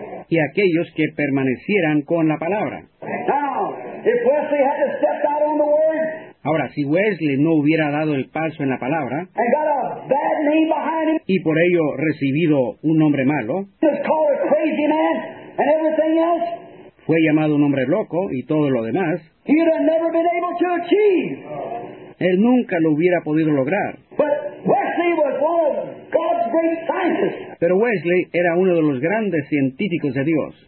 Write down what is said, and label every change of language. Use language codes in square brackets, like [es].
[es] Y aquellos que permanecieran con la palabra. [en] If Wesley had to step out on the word, [es] ahora, si Wesley no hubiera dado el paso en la palabra, [en] and got a bad name behind him, [es] y por ello recibido un nombre malo, [en] just called a crazy man and everything else, [es] fue llamado un hombre loco y todo lo demás, [en] he'd have never been able to achieve. [es] Él nunca lo hubiera podido lograr. [en] But Wesley was one of God's great scientists. [es] Pero Wesley era uno de los grandes científicos de Dios.